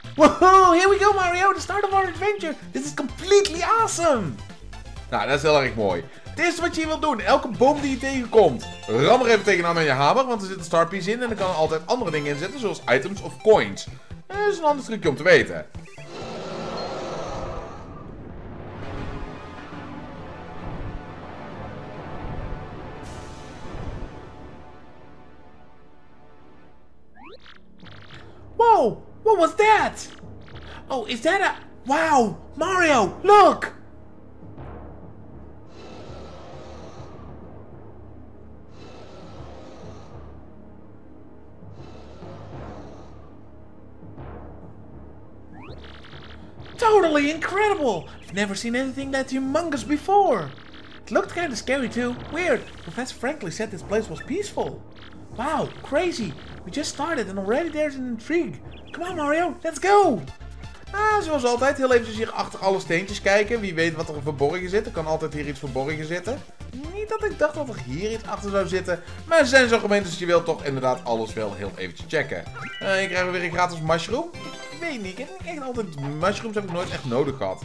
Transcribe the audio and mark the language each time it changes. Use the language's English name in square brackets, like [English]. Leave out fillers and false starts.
[English] Woohoo, here we go Mario, the start of our adventure. This is completely awesome. [Dutch] Nou, dat is heel erg mooi. Het eerste wat je hier wilt doen, elke boom die je tegenkomt, ram er even tegenaan met je hamer, want er zit een star piece in en er kan er altijd andere dingen in zitten, zoals items of coins. Dat is een ander trucje om te weten. [English] Wow, what was that? Oh, is that a... Wow, Mario, look! Totally incredible! I've never seen anything that humongous before! It looked kinda scary too. Weird, Professor Franklin said this place was peaceful. Wow, crazy! We just started and already there's an intrigue. Come on Mario, let's go! [Dutch] Zoals altijd, heel eventjes hier achter alle steentjes kijken. Wie weet wat er verborgen zit. Er kan altijd hier iets verborgen zitten. Niet dat ik dacht dat er hier iets achter zou zitten. Maar ze zijn zo gemeen, dus je wilt toch inderdaad alles wel heel eventjes checken. Hier krijgen we weer een gratis mushroom. Ik heb echt altijd mushrooms heb ik nooit echt nodig gehad.